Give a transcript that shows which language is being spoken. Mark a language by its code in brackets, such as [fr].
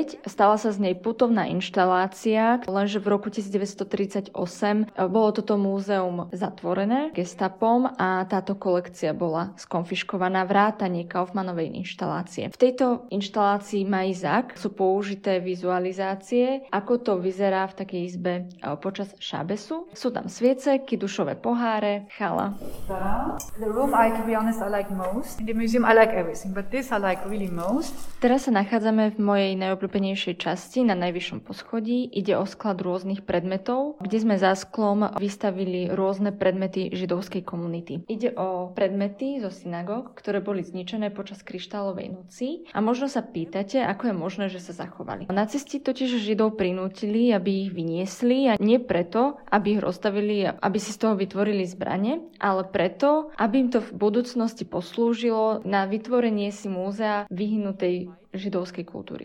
[sk] Stala sa z nej putovná inštalácia, lenže v roku 1938 bolo toto múzeum zatvorené gestapom a táto kolekcia bola skonfiškovaná, vrátanie Kaufmannovej inštalácie. V tejto inštalácii Mai Zak sú použité vizualizácie, ako to vyzerá v takej izbe počas Šabesu. Sú tam sviece, kidušové poháre, chala. [en] The room, I to be honest, I like most. In the museum I like everything, but this I like really most. [sk] Teraz sa nachádzame v mojej najobľúbenejšej časti na najvyššom poschodí. Ide o sklad rôznych predmetov, kde sme za sklom vystavili rôzne predmety židovskej komunity. Ide o predmet zo synagóg, ktoré boli zničené počas kryštálovej noci. A možno sa pýtate, ako je možné, že sa zachovali. Nacisti totiž židov prinútili, aby ich vyniesli, a nie preto, aby ich rozstavili, aby si z toho vytvorili zbrane, ale preto, aby im to v budúcnosti poslúžilo na vytvorenie si múzea vyhnutej židovskej kultúry.